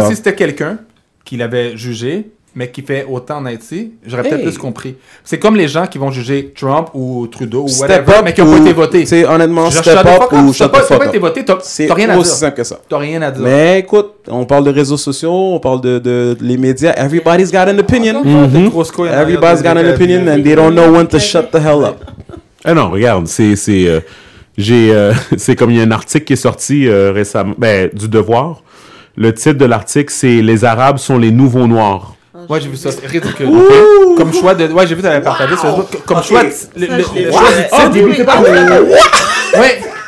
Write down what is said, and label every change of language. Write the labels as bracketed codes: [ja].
[fr] Moi, si c'était quelqu'un qui l'avait jugé, mais qui fait autant en Haïti, j'aurais peut-être plus compris. C'est comme les gens qui vont juger Trump ou Trudeau ou [en] step [fr] whatever, mais qui n'ont pas été votés. [en] C'est honnêtement, step up ou shut the fuck up. [fr] Tu n'as pas été voté, tu n'as rien à dire. C'est aussi simple que ça. Tu n'as rien à dire. Mais écoute, on parle de réseaux sociaux, on parle de les médias. [en] Everybody's got an opinion. Everybody's got an opinion and they don't know when to shut the hell up. [fr] Eh non, regarde, c'est comme il y a un article qui est sorti récemment, du Devoir. Le titre de l'article, c'est « Les Arabes sont les nouveaux noirs ». Moi, j'ai vu ça. Comme choix de. Ouais, j'ai vu, t'avais partagé. Comme choix de. Ouais!